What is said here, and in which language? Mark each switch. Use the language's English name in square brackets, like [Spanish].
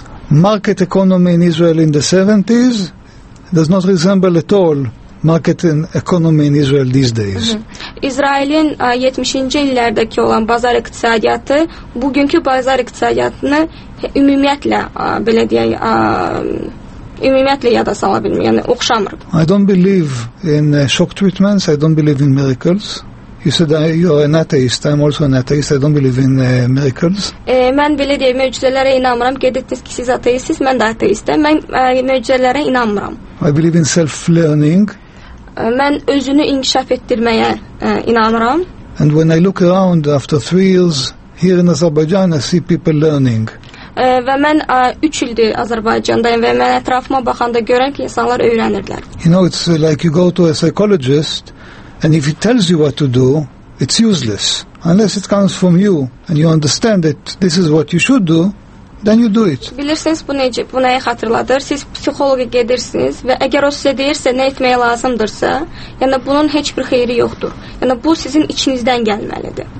[English] Market economy in Israel in the 70s does not resemble at all market and economy in Israel these days. [Azerbaijani] İsrail'in 70-ci illərdəki olan bazar iqtisadiyyatı bugünkü bazar iqtisadiyyatını ümumiyyətlə yada sala bilmir, yəni oxşamır. [English] I don't believe in shock treatments, I don't believe in miracles. You said you're an atheist. I'm also an atheist. I don't believe in miracles. [Azerbaijani] Mən belə deyim, möcüzələrə inanmıram. Qeyd etdiniz ki, siz ateistsiniz, mən də ateistəm. Mən möcüzələrə inanmıram. [English] I believe in self-learning. [Azerbaijani] Mən özünü inkişaf etdirməyə inanıram. [English] And when I look around after 3 years here in Azerbaijan, I see people learning. [Azerbaijani] Və mən 3 ildir Azərbaycandayım və mən ətrafıma baxanda görürəm ki, insanlar öyrənirlər. [English] You know, it's like you go to a psychologist and if he tells you what to do, it's useless. Unless it comes from you and you understand that this is what you should do, then you do it. [Azerbaijani] Bilirsiniz, bu necə, bu nəyi xatırladır? Siz psixoloqa gedirsiniz və əgər o sizə deyirsə, nə etmək lazımdırsa, yəni bunun heç bir xeyri yoxdur. Yəni bu sizin içinizdən gəlməlidir.